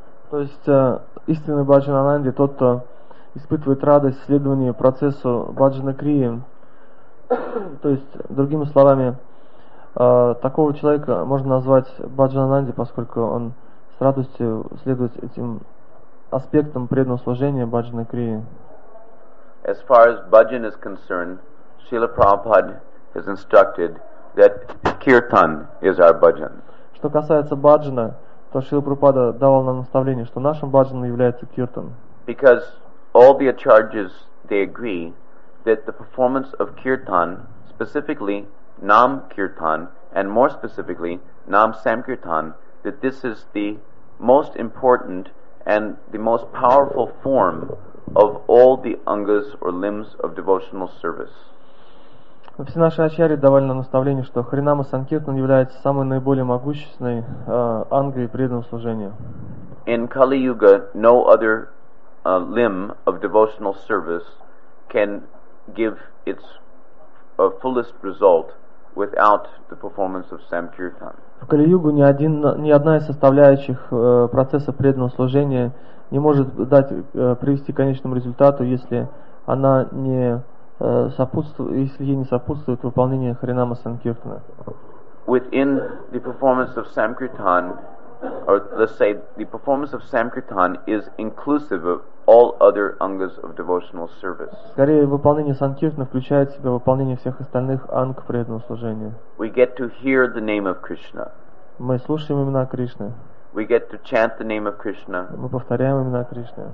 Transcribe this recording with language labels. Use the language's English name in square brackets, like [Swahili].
[Russian] То есть истинный bhajan ананди тот, кто испытывает радость следования процессу bhajana kriya. То есть, другими словами, такого человека можно назвать Баджананди, поскольку он с радостью следует этим аспектам преданного служения Баджана Крии. [English] As far as Bhajan is concerned, Srila Prabhupada has instructed that Kirtan is our Bhajan. [Russian] Что касается Баджана, то Шрила Прабхупада давал нам наставление, что нашим Баджаном является Киртан. [English] Because all the acharyas, they agree that the performance of Kirtan, specifically Nam Kirtan, and more specifically Nam Samkirtan, that this is the most important and the most powerful form of all the angas or limbs of devotional service. [Russian] Все наши ачарьи давали нам наставление, что Харинама Санкиртан является самой наиболее могущественной ангой преданного служения. [English] In Kali Yuga, no other limb of devotional service can give its fullest result without the performance of Samkirtan. [Russian] В Кали-Югу ни одна из составляющих процесса преданного служения не может привести к конечному результату, если она не сопутствует, если ей не сопутствует выполнение Харинама Санкиртана. [English] Within the performance of Samkirtan, or let's say the performance of Samkirtan is inclusive of all other angas of devotional service. [Russian] Скорее, выполнение санкиртана включает в себя выполнение всех остальных анг преданного служения. [English] We get to hear the name of Krishna. [Russian] Мы слушаем имена Кришны. [English] We get to chant the name of Krishna. [Russian] Мы повторяем имена Кришны.